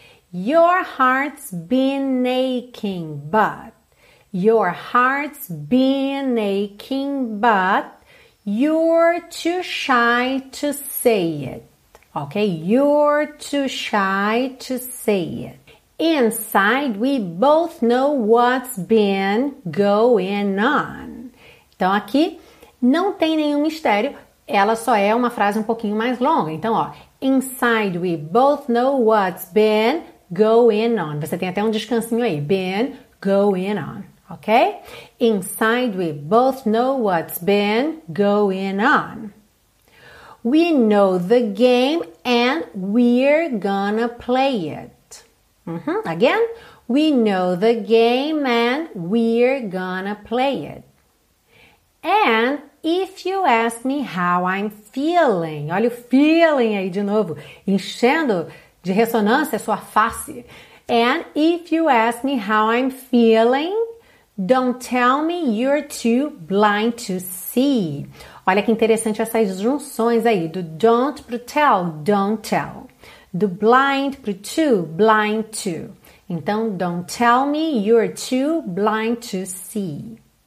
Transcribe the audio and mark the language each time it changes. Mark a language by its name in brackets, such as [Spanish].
[English] Your heart's been aching, but your heart's been aching, but you're too shy to say it. Okay, you're too shy to say it. Inside, we both know what's been going on. [Portuguese] Então aqui não tem nenhum mistério, ela só é uma frase um pouquinho mais longa. [English] Então, ó, inside, we both know what's been going on. [Portuguese] Você tem até um descansinho aí, [English] been going on. Okay? Inside, we both know what's been going on. We know the game and we're gonna play it. Again, we know the game and we're gonna play it. And if you ask me how I'm feeling, [Portuguese] olha o feeling aí de novo, enchendo de ressonância a sua face. [English] And if you ask me how I'm feeling, don't tell me you're too blind to see. [Portuguese] Olha que interessante essas junções aí, do don't pro tell, [English] don't tell. [Portuguese] Do blind pro to, [English] blind to. Então, don't tell me you're too blind to see.